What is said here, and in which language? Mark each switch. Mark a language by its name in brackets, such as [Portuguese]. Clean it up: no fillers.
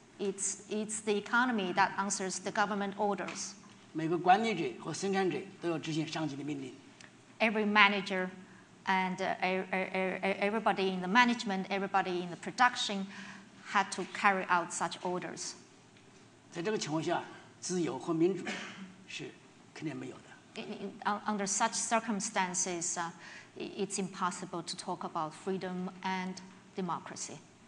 [English] It's the economy that answers the government orders. [Chinese] 每个管理者和生产者都要执行上级的命令。 [English] Every manager and everybody in the management, everybody in the production had to carry out such orders. [Chinese] 在这个情况下，自由和民主是肯定没有的。 [English] Under such circumstances, it's impossible to talk about freedom and democracy.